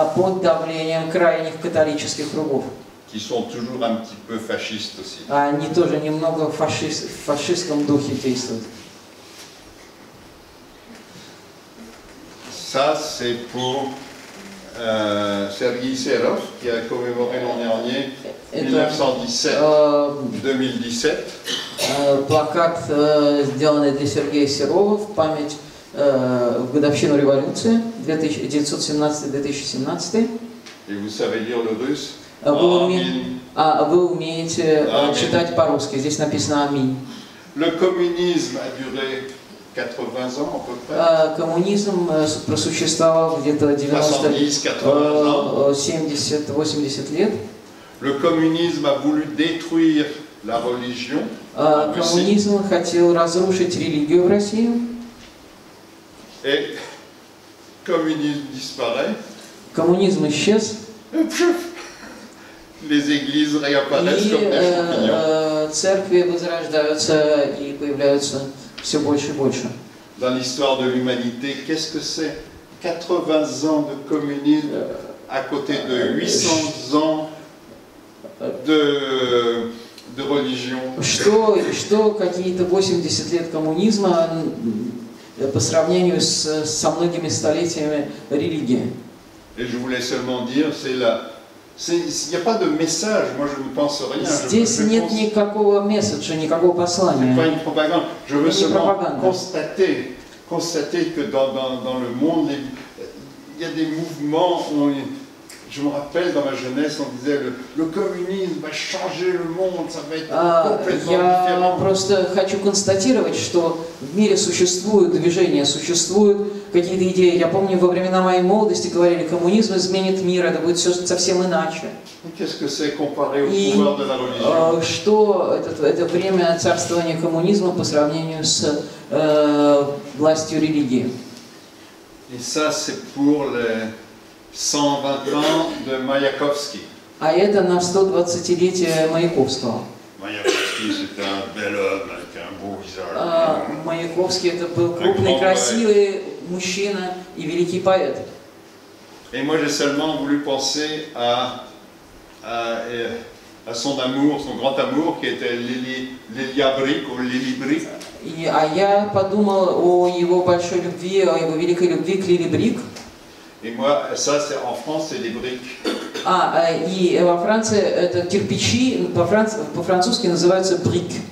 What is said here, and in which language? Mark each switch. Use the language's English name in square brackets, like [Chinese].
[Russian] Под давлением крайних католических кругов. [French] Qui sont toujours un petit peu fascistes aussi. [Russian] Они тоже немного в фашистском духе действуют. [French] Ça c'est pour Sergei Serov qui a commémoré l'an dernier 1917-2017. [Russian] Плакат сделан для Сергея Серова в память в годовщину революции 1917-2017. [French] Et vous savez lire le russe? [Russian] Вы умеете читать по-русски. Здесь написано Амин. [French] Le communisme a duré 80 ans, à peu près. [Russian] Коммунизм просуществовал где-то 70-80 лет. [French] Le communisme a voulu détruire la religion. [Russian] Коммунизм хотел разрушить религию в России. [French] Et communisme disparaît. [Russian] Коммунизм исчез. [French] Les églises réapparaissent comme des champignons. [Russian] Церкви возрождаются и появляются все больше и больше. [French] Dans l'histoire de l'humanité, qu'est-ce que c'est 80 ans de communisme à côté de 800 ans de religion. [Russian] Что какие-то 80 лет коммунизма по сравнению со многими столетиями религии? [French] Et je voulais seulement dire, il n'y a pas de message, moi je ne pense rien. [Russian] Здесь нет никакого месседжа, никакого послания. [French] C'est pas une propagande. Je veux seulement constater que dans le monde, il y a des mouvements. Je me rappelle dans ma jeunesse, on disait le communisme va changer le monde, ça va être complètement différent. [Russian] Я просто хочу констатировать, что в мире существуют движения, существуют какие-то идеи. Я помню, во времена моей молодости говорили, коммунизм изменит мир, это будет все совсем иначе. Что это время царствования коммунизма по сравнению с властью религии? И это [French] c'est pour les 120 ans de Маяковский. [Russian] А это на 120-летие Маяковского. [French] Маяковский – [Russian] это [French] un bel homme avec un beau visage. [Russian] Маяковский – это был крупный, красивый мужчина и великий поэт. [French] Et moi j'ai seulement voulu penser à son amour, son grand amour qui était Lili Brick. [Russian] А я подумал о его большой любви, о его великой любви к Лили Брик. [French] Et moi ça c'est en France c'est les briques. [Russian] И во Франции это кирпичи, по-французски называются брик.